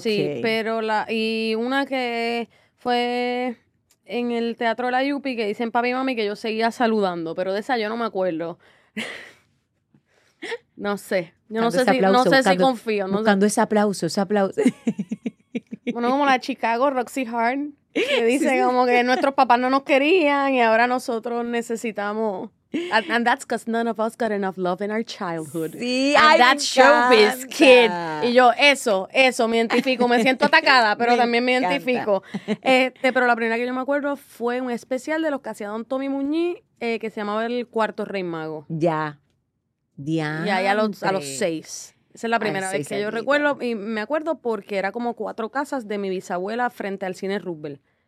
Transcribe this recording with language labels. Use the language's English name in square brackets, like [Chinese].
[Spanish] Sí, pero y una que fue en el Teatro La Yupi, que dicen papi y mami que yo seguía saludando, pero de esa yo no me acuerdo. No sé, yo no sé, si confío. No buscando sé. ese aplauso. Bueno, como la Chicago, Roxy Hart, que dice sí. Como que nuestros papás no nos querían y ahora nosotros necesitamos... [English] And that's because none of us got enough love in our childhood. [Spanish] Sí, [English] and that showbiz kid. [Spanish] Y yo, eso, me identifico. Me siento atacada, pero también me identifico. Pero la primera que yo me acuerdo fue un especial de los que hacía Don Tommy Muñiz, que se llamaba El Cuarto Rey Mago. Ya. Diante. Ya, a los seis. Esa es la primera vez que yo recuerdo. Y me acuerdo porque era como cuatro casas de mi bisabuela frente al cine Roosevelt.